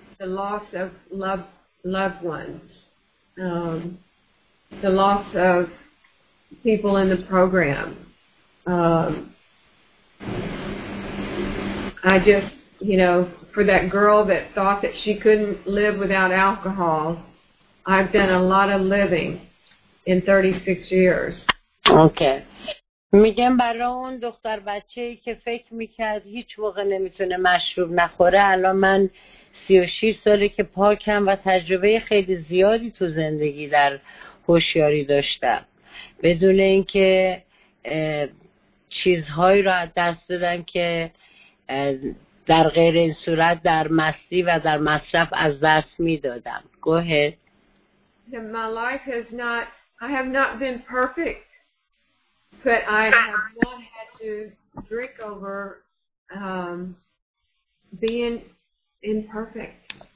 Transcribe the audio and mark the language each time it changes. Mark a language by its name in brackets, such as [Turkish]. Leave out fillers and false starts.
[English] The loss of loved ones. The loss of people in the program. I just, you know, for that girl that thought that she couldn't live without alcohol, I've done a lot of living in 36 years. Okay. [Persian] میگم برای اون دختر بچه‌ای که فکر میکرد هیچ موقع نمیتونه مشروب نخوره، الان من 36 ساله که پاکم و تجربه خیلی زیادی تو زندگی در هوشیاری داشتم، بدون اینکه چیزهایی رو از دست بدم که در غیر این صورت در مستی و در مصرف از دست میدادم. [English] Go ahead. My life has not, I have not been perfect, but I have not had to drink over being imperfect.